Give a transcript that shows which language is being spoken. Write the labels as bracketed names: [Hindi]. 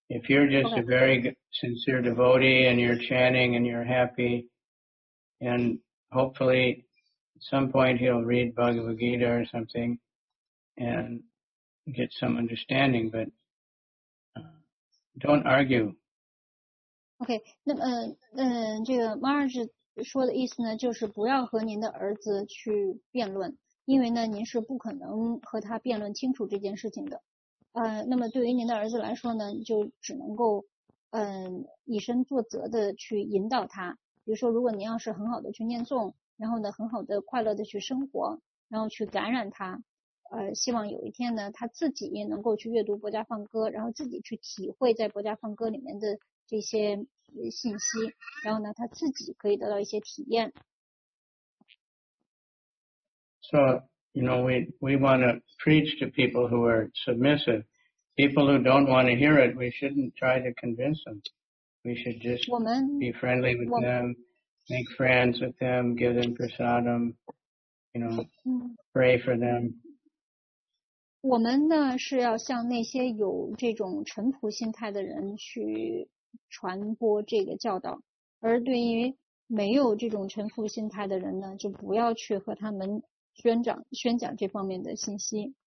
[English] If you're just okay. A very sincere devotee and you're chanting and you're happy, and hopefully at some point he'll read Bhagavad Gita or something and get some understanding, but don't argue. [Chinese] Okay, 那么这个 Marge 说的意思呢，就是不要和您的儿子去辩论，因为呢，您是不可能和他辩论清楚这件事情的。那么对于您的儿子来说呢，就只能够以身作则的去引导他。比如说，如果您要是很好的去念诵，然后呢，很好的快乐的去生活，然后去感染他，希望有一天呢，他自己也能够去阅读《薄伽梵歌》，然后自己去体会在《薄伽梵歌》里面的。这些信息，然后呢，他自己可以得到一些体验。 [English] So, you know, we want to preach to people who are submissive. People who don't want to hear it, we shouldn't try to convince them. We should just be friendly with them, make friends with them, give them prasadam, you know, pray for them. [Chinese] 我们呢是要向那些有这种淳朴心态的人去。传播这个教导，而对于没有这种臣服心态的人呢，就不要去和他们宣讲这方面的信息。